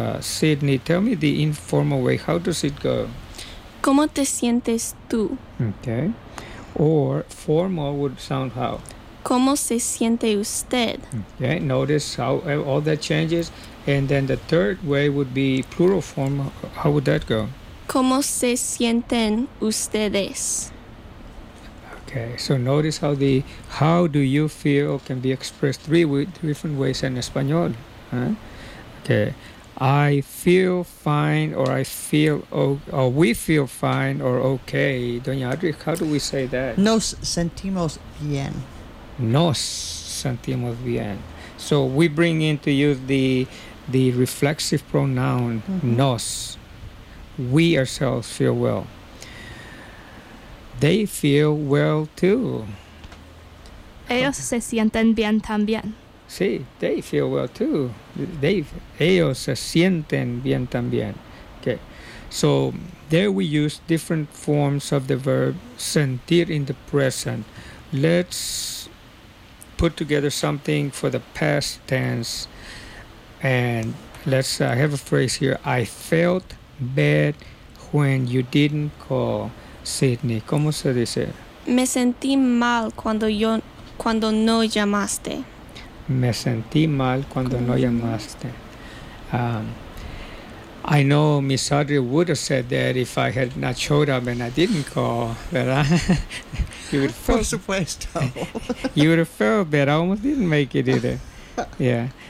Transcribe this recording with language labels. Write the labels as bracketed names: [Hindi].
[English] Sydney, tell me the informal way. How does it go? [Spanish] ¿Cómo te sientes tú? [English] Okay. Or formal would sound how? [Spanish] ¿Cómo se siente usted? [English] Okay. Notice how all that changes. And then the third way would be plural form. How would that go? [Spanish] ¿Cómo se sienten ustedes? [English] Okay, so notice how the how do you feel can be expressed three different ways in Espanol. Huh? Okay, I feel fine, or I feel, or we feel fine, or okay. Doña Audrey, how do we say that? [Spanish] Nos sentimos bien. Nos sentimos bien. [English] So we bring into use the reflexive pronoun, nos. We ourselves feel well. They feel well too. [Spanish] Ellos se sienten bien también. [English] Sí, they feel well too. [Spanish] Ellos se sienten bien también. [English] Okay. So there we use different forms of the verb sentir in the present. Let's put together something for the past tense. And let's have a phrase here. I felt bad when you didn't call. [Spanish] Sydney, ¿cómo se dice? Me sentí mal cuando no llamaste. Me sentí mal cuando no llamaste. [English] I know Miss Audrey would have said that if I had not showed up and I didn't call, ¿verdad? You would have felt, [Spanish] por supuesto. [English] You would have felt bad. I almost didn't make it either. Yeah.